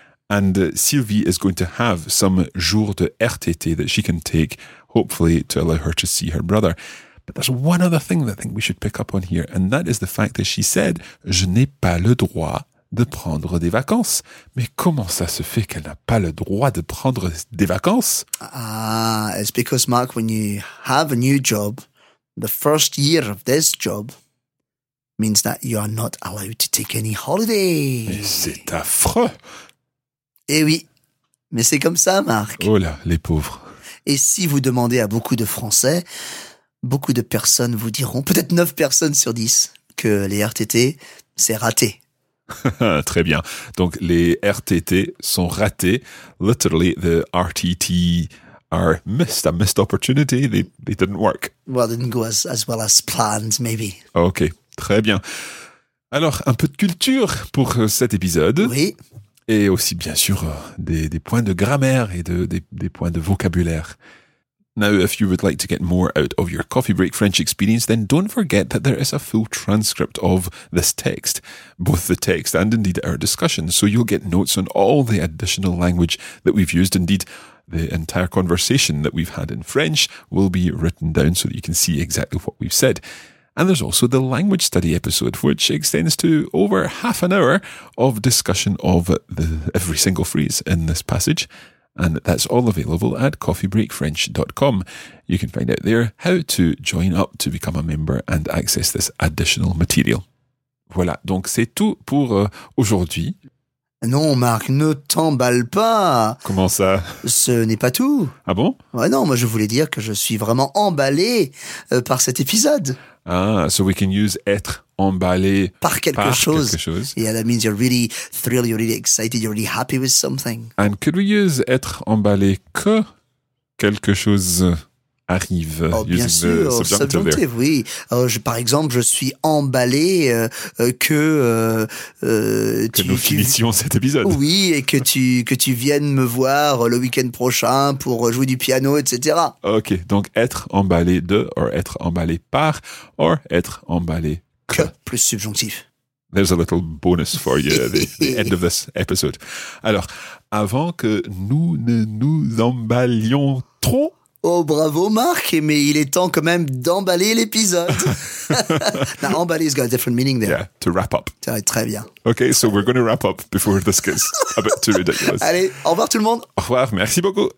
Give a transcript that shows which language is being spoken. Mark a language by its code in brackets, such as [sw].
[en] And Sylvie is going to have some [fr] jours de RTT [en] that she can take, hopefully to allow her to see her brother. But there's one other thing that I think we should pick up on here, and that is the fact that she said, [fr] je n'ai pas le droit de prendre des vacances. Mais comment ça se fait qu'elle n'a pas le droit de prendre des vacances? [en] It's because, Mark, when you have a new job, the first year of this job means that you are not allowed to take any holidays. [fr] C'est affreux. Eh oui, mais c'est comme ça, Marc. Oh là, les pauvres. Et si vous demandez à beaucoup de Français, beaucoup de personnes vous diront, peut-être 9 personnes sur 10, que les RTT, c'est raté. Très bien. Donc, les RTT sont ratés. [en] Literally, the RTT are missed, a missed opportunity. They didn't work. Well, didn't go as well as planned, maybe. [fr] OK, très bien. Alors, un peu de culture pour cet épisode. Oui. Et aussi, bien sûr, des points de grammaire et des points de vocabulaire. [en] Now, if you would like to get more out of your Coffee Break French experience, then don't forget that there is a full transcript of this text, both the text and indeed our discussion, so you'll get notes on all the additional language that we've used. Indeed, the entire conversation that we've had in French will be written down so that you can see exactly what we've said. And there's also the language study episode, which extends to over half an hour of discussion of every single phrase in this passage. And that's all available at coffeebreakfrench.com. You can find out there how to join up to become a member and access this additional material. [fr] Voilà, donc c'est tout pour aujourd'hui. Non, Marc, ne t'emballe pas. Comment ça? Ce n'est pas tout. Ah bon? Ouais, non, moi je voulais dire que je suis vraiment emballé par cet épisode. [en] Ah, so we can use [fr] être emballé par quelque chose. Quelque chose. [en] Yeah, that means you're really thrilled, you're really excited, you're really happy with something. And could we use [fr] être emballé que quelque chose arrive? [en] Oh, using [fr] bien sûr, [en] the subjunctive, there. [fr] Oui. Par exemple, je suis emballé que nous finissions cet épisode. Oui, et que tu viennes me voir le week-end prochain pour jouer du piano, etc. Ok, donc être emballé de, or être emballé par, or être emballé que. Plus subjonctif. [en] There's a little bonus for you at the end of this episode. [fr] Alors, avant que nous ne nous emballions trop. Oh, bravo, Marc, mais il est temps quand même d'emballer l'épisode. [en] Now, emballer has got a different meaning there. Yeah, to wrap up. [fr] Très bien. [en] Okay, so we're going to wrap up before this gets a bit too ridiculous. [fr] Allez, au revoir tout le monde. Au revoir, merci beaucoup.